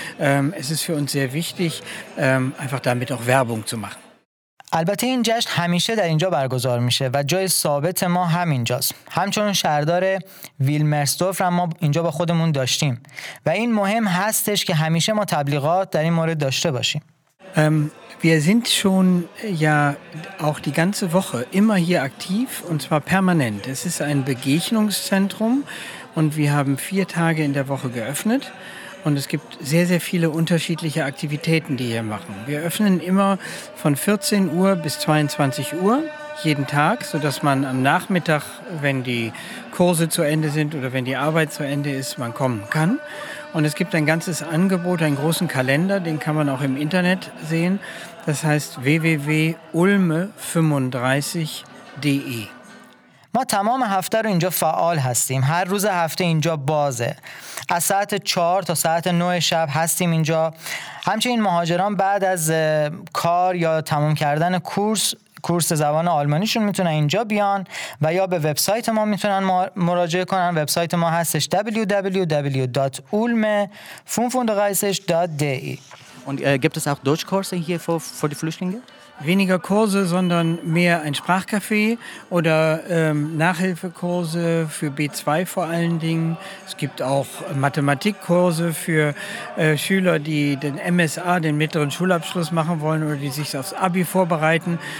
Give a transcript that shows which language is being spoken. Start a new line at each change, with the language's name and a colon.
German: Es ist für uns sehr wichtig, einfach damit auch Werbung zu machen.
Persian: البته این جشن همیشه در اینجا برگزار میشه و جای ثابت ما همینجاست. همچنان شهردار ویلمرسدورف ما اینجا با خودمون داشتیم و این مهم هستش که همیشه ما تبلیغات در این مورد داشته باشیم.
German: Wir sind schon ja auch die ganze Woche immer hier aktiv und zwar permanent. Es ist ein Begegnungszentrum und wir haben 4 Tage in der Woche geöffnet. Und es gibt sehr, sehr viele unterschiedliche Aktivitäten, die wir machen. Wir öffnen immer von 14 Uhr bis 22 Uhr jeden Tag, sodass man am Nachmittag, wenn die Kurse zu Ende sind oder wenn die Arbeit zu Ende ist, man kommen kann. Und es gibt ein ganzes Angebot, einen großen Kalender, den kann man auch im Internet sehen. Das heißt www.ulme35.de.
Persian: ما تمام هفته رو اینجا فعال هستیم. هر روز هفته اینجا بازه. از ساعت 4 تا ساعت 9 شب هستیم اینجا. همچنین مهاجران بعد از کار یا تمام کردن کورس زبان آلمانیشون میتونن اینجا بیان و یا به وبسایت ما میتونن مراجعه کنن. وبسایت ما هستش www.ulme55.de.
German: Und gibt es auch Deutschkurse hier für die Flüchtlinge? Weniger Kurse, sondern mehr ein Sprachcafé oder Nachhilfekurse für B2 vor allen Dingen. Es gibt auch Mathematikkurse für Schüler, die den MSA, den mittleren Schulabschluss machen wollen oder die sich aufs Abi vorbereiten.